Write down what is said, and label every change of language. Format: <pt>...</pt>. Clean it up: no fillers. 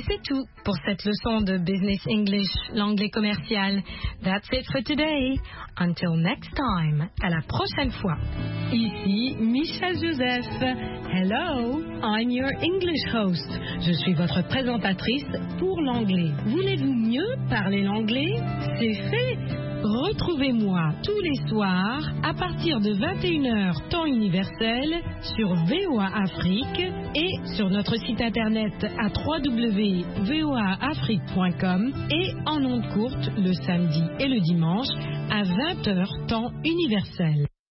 <fr>tout pour cette leçon de Business English, l'anglais commercial.</fr> <en>That's it for today. Until next time,</en> <fr>à la prochaine fois. Ici Michel Joseph.</fr> <en>Hello, I'm your English host.</en> <fr>Je suis votre présentatrice pour l'anglais. Voulez-vous mieux parler l'anglais? C'est fait. Retrouvez-moi tous les soirs à partir de 21h temps universel sur VOA Afrique et sur notre site internet à www.voaafrique.com et en ondes courtes le samedi et le dimanche à 20h temps universel.</fr>